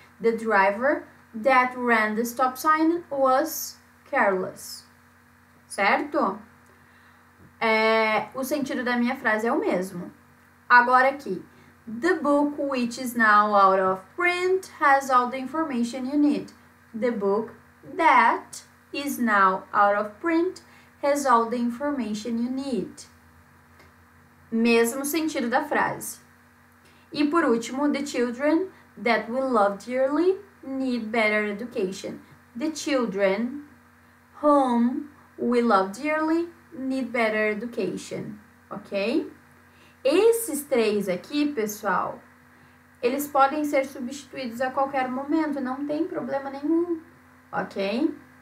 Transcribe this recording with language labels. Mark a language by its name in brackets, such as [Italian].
[English] The driver that ran the stop sign was careless. [Portuguese] Certo? O sentido da minha frase é o mesmo. Agora aqui. [English] The book, which is now out of print, has all the information you need. The book that is now out of print has all the information you need. [Portuguese] Mesmo sentido da frase. E por último, [English] the children that we love dearly need better education. The children whom we love dearly need better education. Ok? [Portuguese] Esses três aqui, pessoal, eles podem ser substituídos a qualquer momento, não tem problema nenhum, ok?